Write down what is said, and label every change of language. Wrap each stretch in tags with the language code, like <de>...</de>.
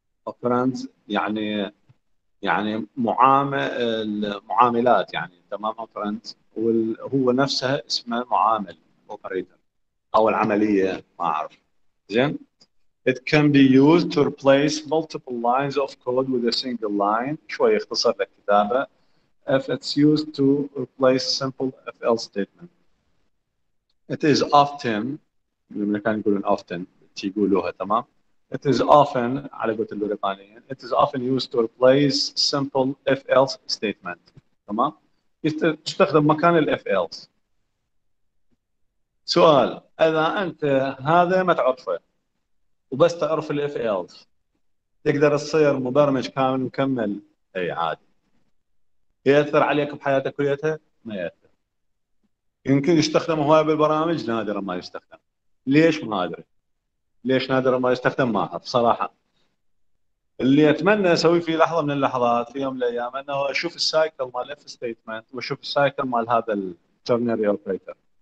<en>operands</en> <ar>يعني معامل معاملات يعني تمام</ar> <en>operand</en> <ar>وهو نفسه اسمه معامل</ar> <en>operator</en> <ar>أو العملية ما أعرف زين</ar> <en>it can be used to replace multiple lines of code with a single line</en> <ar>شوي اختصر لك كتابة</ar> <en>if it's used to replace simple if else statement It is often,</en> <ar>الأمريكان يقولون</ar> <en>often,</en> <ar>تيقولوها تمام.</ar> <en>It is often,</en> <ar>على قولة البريطانيين,</ar> <en>it is often used to replace simple if else statement.</en> <ar>تمام؟ يستخدم مكان الـ if else. سؤال: إذا أنت هذا ما تعرفه وبس تعرف الـ if else تقدر تصير مبرمج كامل مكمل؟ أي عادي. يأثر عليك بحياتك كليتها؟ ما يأثر. يمكن يستخدم هواي بالبرامج نادرا ما يستخدم ليش ما ادري ليش نادرا ما يستخدم ما اعرف صراحه اللي اتمنى اسوي في لحظه من اللحظات في يوم من الايام انه اشوف السايكل مال اف ستيتمنت واشوف السايكل مال هذا الترنري اوبريتر</ar>